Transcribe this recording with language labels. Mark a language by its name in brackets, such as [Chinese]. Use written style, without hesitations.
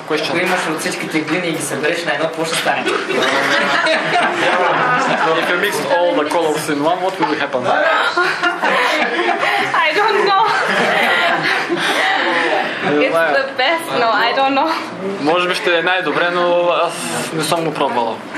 [Bulgarian] Ако имаш от всичките глини и ги събереш на едно, какво ще стане? [English] If you mix all the colors in one, what will happen? I don't know. It's the best, no, I don't know. [Bulgarian] Може би ще е най-добре, но аз не съм го пробвала.